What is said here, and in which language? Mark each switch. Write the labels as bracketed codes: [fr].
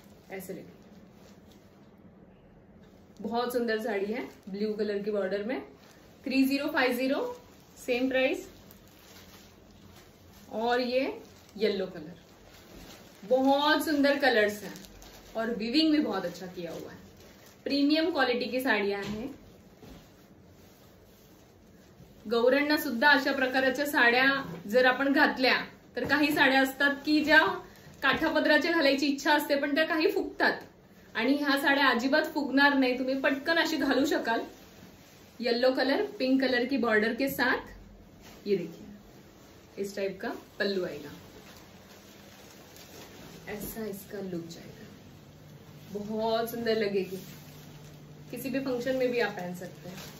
[hi] ऐसे लगेगी, बहुत सुंदर साड़ी है ब्लू कलर की बॉर्डर में। 3050 सेम प्राइस। और ये येलो कलर, बहुत सुंदर कलर्स हैं और विविंग भी बहुत अच्छा किया हुआ है। [mr] प्रीमियम क्वालिटी की साड़ियां हैं, गौरण्णा सुद्धा अशा प्रकारच्या साड्या जर आपण घातल्या तर काही साड्या असतात की ज्या काठापदराच्या घालायची इच्छा असते पण त्या काही फुगतात, आणि ह्या साड्या अजिबात फुगणार नाही, तुम्ही पटकन अशी घालू शकाल। [hi] येलो कलर पिंक कलर की बॉर्डर के साथ ये देखिए इस टाइप का पल्लू आएगा, ऐसा इसका लुक जाएगा, बहुत सुंदर लगेगी, किसी भी फंक्शन में भी आप पहन सकते हैं।